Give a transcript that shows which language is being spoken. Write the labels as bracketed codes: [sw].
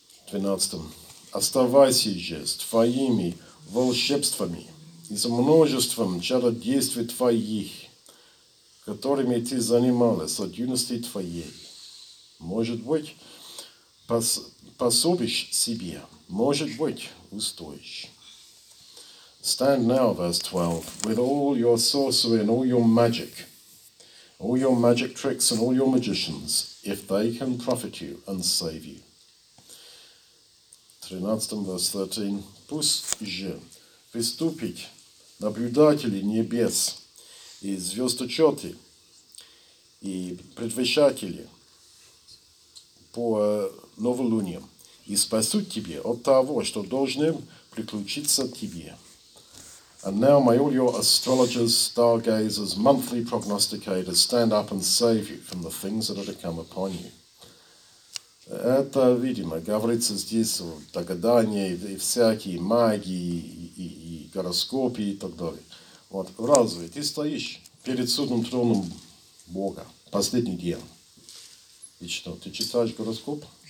[ru] 12. Оставайся же с твоими волшебствами и с множеством чародействий твоих, которыми ты занималась от юности твоей. Может быть, пособишь себе, может быть, устоишь. [en] Stand now, verse 12, with all your sorcery and all your magic tricks and all your magicians, if they can profit you and save you. [ru] 13, [en] verse 13, [ru] пусть же приступит наблюдатели небес и звездочеты, и предвещатели по новолуниям, и спасут тебе от того, что должны приключиться тебе. [en] And now may all your astrologers, stargazers, monthly prognosticators stand up and save you from the things that are to come upon you. [ru] Это, видимо, говорится здесь, догадания и всякие магии, и гороскопии и так далее. Вот, разве ты стоишь перед судным троном Бога? Последний день. И что, ты читаешь гороскоп?